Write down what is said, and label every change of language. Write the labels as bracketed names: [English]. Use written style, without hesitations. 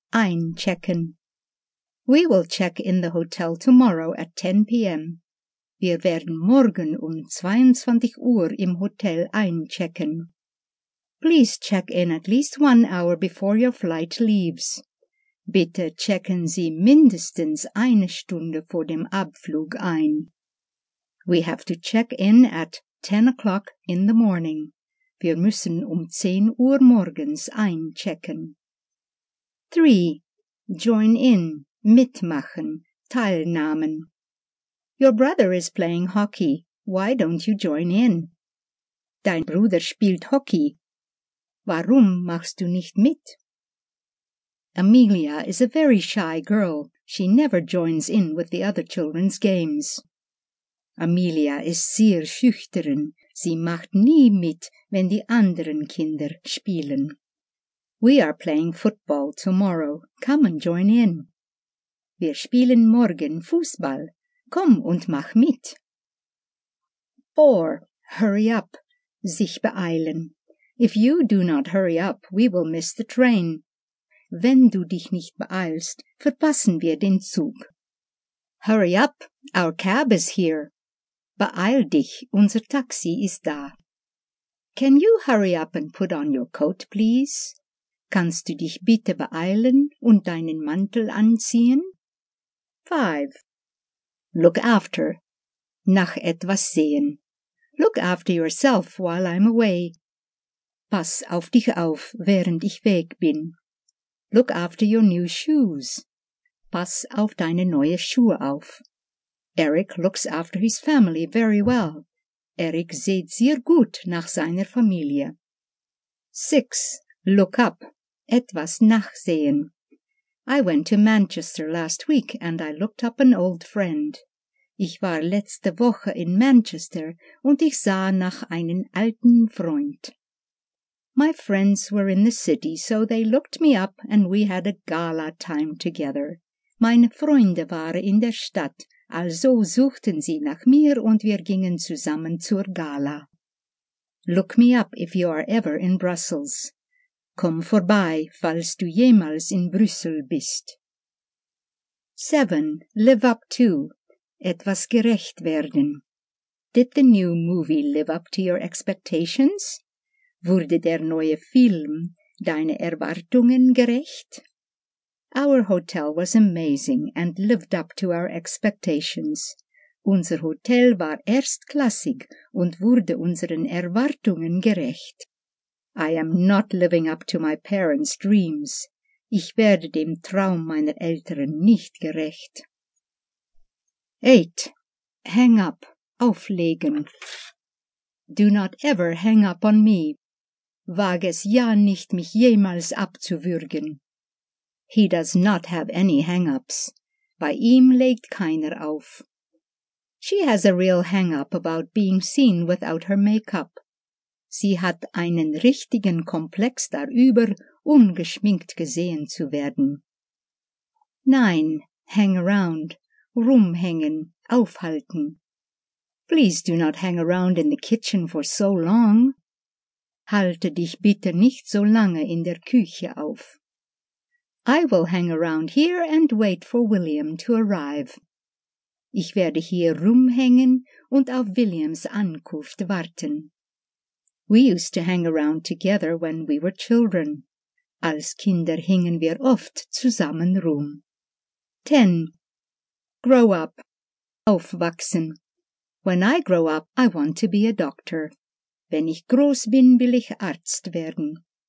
[German] Einchecken. [English] We will check in the hotel tomorrow at 10 p.m. [German] Wir werden morgen 22 Uhr im Hotel einchecken. [English] Please check in at least 1 hour before your flight leaves. [German] Bitte checken Sie mindestens eine Stunde vor dem Abflug ein. [English] We have to check in at 10 o'clock in the morning. [German] Wir müssen 10 Uhr morgens einchecken. 3. [English] Join in, [German] mitmachen, teilnehmen. [English] Your brother is playing hockey. Why don't you join in? [German] Dein Bruder spielt Hockey. Warum machst du nicht mit? [English] Amelia is a very shy girl. She never joins in with the other children's games. [German] Amelia ist sehr schüchtern. Sie macht nie mit, wenn die anderen Kinder spielen. [English] We are playing football tomorrow. Come and join in. [German] Wir spielen morgen Fußball. Komm und mach mit. 4. [English] Hurry up. [German] Sich beeilen. [English] If you do not hurry up, we will miss the train. [German] Wenn du dich nicht beeilst, verpassen wir den Zug. [English] Hurry up. Our cab is here. [German] Beeil dich, unser Taxi ist da. [English] Can you hurry up and put on your coat, please? [German] Kannst du dich bitte beeilen und deinen Mantel anziehen? 5. [English] Look after. [German] Nach etwas sehen. [English] Look after yourself while I'm away. [German] Pass auf dich auf, während ich weg bin. [English] Look after your new shoes. [German] Pass auf deine neue Schuhe auf. [English] Eric looks after his family very well. [German] Eric sieht sehr gut nach seiner Familie. [English] 6. Look up. [German] Etwas nachsehen. [English] I went to Manchester last week and I looked up an old friend. [German] Ich war letzte Woche in Manchester und ich sah nach einen alten Freund. [English] My friends were in the city, so they looked me up and we had a gala time together. [German] Meine Freunde waren in der Stadt. Also suchten sie nach mir und wir gingen zusammen zur Gala. [English] Look me up if you are ever in Brussels. [German] Komm vorbei, falls du jemals in Brüssel bist. 7. [English] Live up to. [German] Etwas gerecht werden. [English] Did the new movie live up to your expectations? [German] Wurde der neue Film deine Erwartungen gerecht? [English] Our hotel was amazing and lived up to our expectations. [German] Unser Hotel war erstklassig und wurde unseren Erwartungen gerecht. [English] I am not living up to my parents' dreams. [German] Ich werde dem Traum meiner Eltern nicht gerecht. [English] 8. Hang up. [German] Auflegen. [English] Do not ever hang up on me. [German] Wage es ja nicht, mich jemals abzuwürgen. [English] He does not have any hang-ups. [German] Bei ihm legt keiner auf. [English] She has a real hang-up about being seen without her makeup. [German] Sie hat einen richtigen Komplex darüber, ungeschminkt gesehen zu werden. 9. [English] Hang around. [German] Rumhängen. Aufhalten. [English] Please do not hang around in the kitchen for so long. [German] Halte dich bitte nicht so lange in der Küche auf. [English] I will hang around here and wait for William to arrive. [German] Ich werde hier rumhängen und auf Williams Ankunft warten. [English] We used to hang around together when we were children. [German] Als Kinder hingen wir oft zusammen rum. 10. [English] Grow up. [German] Aufwachsen. [English] When I grow up, I want to be a doctor. [German] Wenn ich groß bin, will ich Arzt werden.